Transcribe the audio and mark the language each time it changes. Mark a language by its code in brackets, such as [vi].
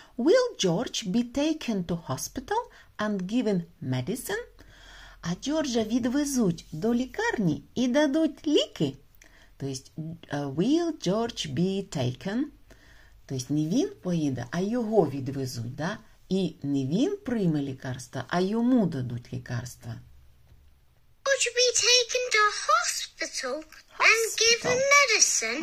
[en] Will George be taken to hospital and given medicine? [uk] А Джорджа відвезуть до лікарні і дадуть ліки? Тобто, [en] will George be taken? [uk] Тобто, не він поїде, а його відвезуть, да? І не він прийме лікарство, а йому дадуть лікарство. [en] Would you be taken to hospital, and given medicine?